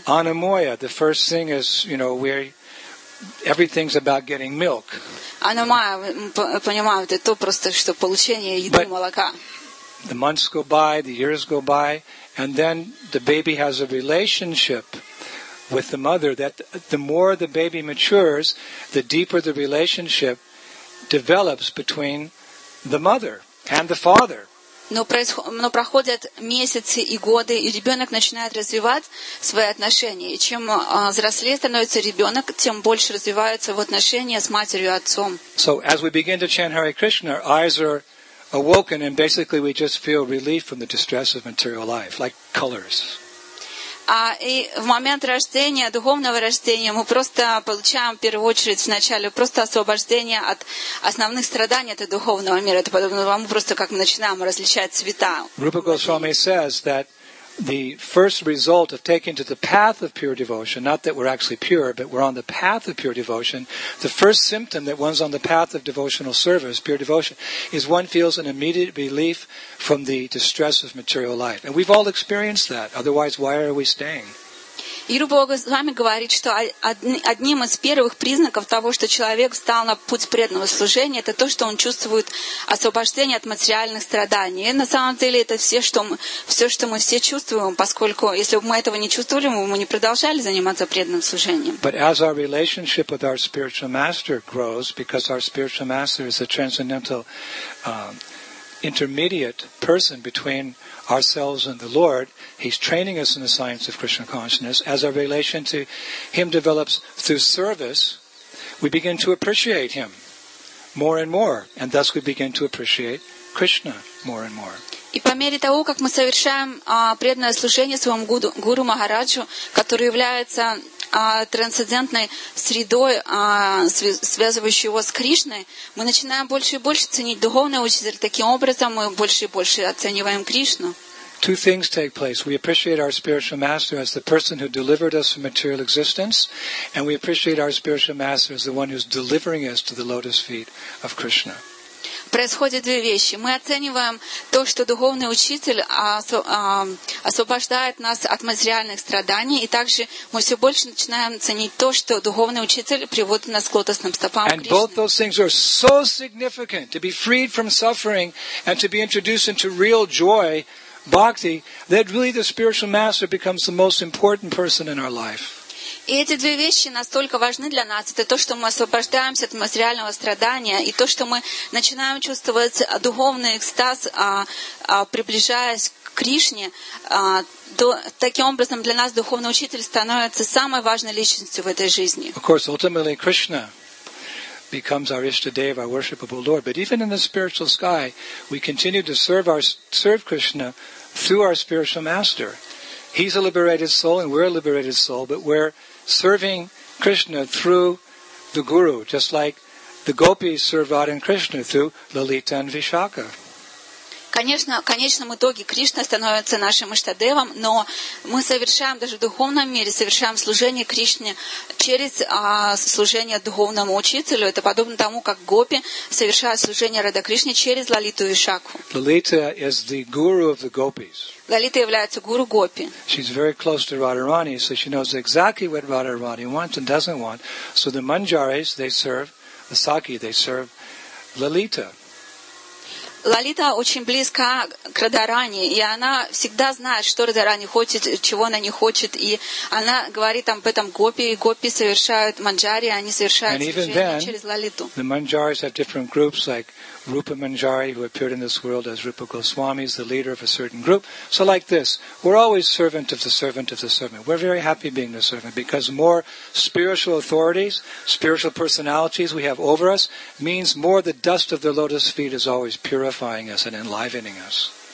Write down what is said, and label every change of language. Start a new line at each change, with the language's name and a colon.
English: Anamoya, the first thing is, you know, where everything's about getting milk.
Russian: Anamoya, понимаю, это то просто, что получение еды, молока.
English: The months go by, the years go by, and then the baby has a relationship with the mother, that the more the baby matures, the deeper the relationship develops between the mother and the father.
Russian: Но проходят месяцы и годы, и ребенок начинает развивать свои отношения. И чем взрослее становится ребенок, тем больше развивается в отношениях с матерью и отцом.
English: So as we begin to chant Hare Krishna, our eyes are awoken, and basically we just feel relief from the distress of material life, like colors.
Russian: И в момент рождения, духовного рождения, мы просто получаем, в первую очередь, вначале просто освобождение от основных страданий этого духовного мира. Это подобно тому, просто как мы начинаем различать цвета.
English: Rupa Goswami says that the first result of taking to the path of pure devotion, not that we're actually pure, but we're on the path of pure devotion, the first symptom that one's on the path of devotional service, pure devotion, is one feels an immediate relief from the distress of material life. And we've all experienced that. Otherwise, why are we staying?
Russian: И Рупа Госвами говорит, что одним из первых признаков того, что человек встал на путь преданного служения, это то, что он чувствует освобождение от материальных страданий. И на самом деле это все, что мы все чувствуем, поскольку если бы мы этого не чувствовали, мы бы не продолжали заниматься преданным служением.
English: But as our relationship with our spiritual master grows, because our spiritual master is a transcendental intermediate person between ourselves and the Lord, he's training us in the science of Krishna consciousness. As our relation to him develops through service, we begin to appreciate him more and more, and thus we begin to appreciate Krishna more and more.
Russian: И по мере того, как мы совершаем преданное служение своему гуру Махараджу, который является трансцендентной средой, связывающей его с Кришной, мы начинаем больше и больше ценить духовный учитель. Таким образом, мы больше и больше оцениваем Кришну.
English: Two things take place. We appreciate our spiritual master as the person who delivered us from material existence, and we appreciate our spiritual master as the one who's delivering us to the lotus feet of Krishna.
Russian: Происходят две вещи. Мы оцениваем то, что духовный учитель освобождает нас от материальных страданий, и также мы все больше начинаем ценить то, что духовный учитель приводит нас к лотосным стопам Кришны.
English: And both those things are so significant, to be freed from suffering and to be introduced into real joy, bhakti, that really the spiritual master becomes the most important person in our life.
Russian: И эти две вещи настолько важны для нас. Это то, что мы освобождаемся от материального страдания, и то, что мы начинаем чувствовать духовный экстаз, приближаясь к Кришне, таким образом для нас духовный учитель становится самой важной личностью в этой жизни.
English: Of course, ultimately Krishna becomes our Ishtadeva, our worshipable Lord. But even in the spiritual sky, we continue to serve Krishna through our spiritual master. He's a liberated soul and we're a liberated soul, but we're serving Krishna through the Guru, just like the gopis serve Radha and Krishna through Lalita and Vishakha.
Russian: Конечно, в конечном итоге Кришна становится нашим Иштадевом, но мы совершаем, даже в духовном мире, совершаем служение Кришне через служение духовному учителю. Это подобно тому, как гопи совершают служение Радха Кришне через Лалиту и Вишакху.
English: Lalita is the guru of the gopis.
Russian: Лалита является гуру гопи.
English: She's very close to Radharani, so she knows exactly what Radharani wants and doesn't want. So the manjaris, they serve the sakhi, they serve Lalita.
Russian: Лалита очень близка к Радхарани, и она всегда знает, что Радхарани хочет, чего она не хочет, и она говорит об этом гопи, и гопи совершают манджари, они совершают служение через Лалиту.
English: The manjaris have different groups, like Rupa Manjari, who appeared in this world as Rupa Goswami, is the leader of a certain group. So like this, we're always servant of the servant of the servant. We're very happy being the servant, because more spiritual authorities, spiritual personalities we have over us, means more the dust of the lotus feet is always purifying us and enlivening us.